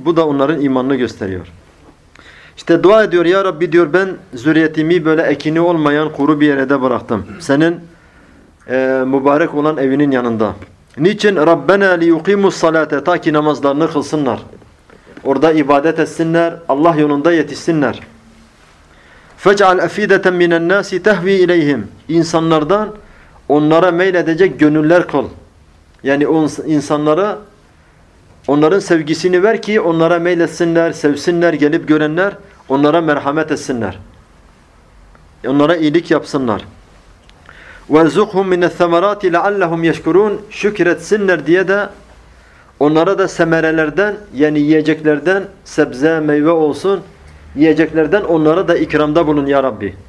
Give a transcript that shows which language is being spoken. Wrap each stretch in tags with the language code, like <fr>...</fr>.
<tr>Bu da onların imanını gösteriyor. İşte dua ediyor, ya Rabbi diyor, ben zürriyetimi böyle ekini olmayan kuru bir yere de bıraktım. Senin mübarek olan evinin yanında. Niçin?</tr> <ar>Rabbena li yuqimus salate,</ar> <tr>ta ki namazlarını kılsınlar. Orada ibadet etsinler. Allah yolunda yetişsinler.</tr> <ar>فَجْعَلْ اَف۪يدَةً مِنَ النَّاسِ تَهْو۪ي اِلَيْهِمْ</ar> <tr>İnsanlardan onlara meyledecek gönüller kıl. Yani insanlara onların sevgisini ver ki onlara meyletsinler, sevsinler, gelip görenler onlara merhamet etsinler. Onlara iyilik yapsınlar.</tr> <ar>وَرْزُقْهُمْ مِنَ الثَّمَرَاتِ لَعَلَّهُمْ يَشْكُرُونَ</ar> <tr>Şükretsinler diye de onlara da semerelerden, yani yiyeceklerden, sebze, meyve olsun, yiyeceklerden onlara da ikramda bulun ya Rabbi.</tr>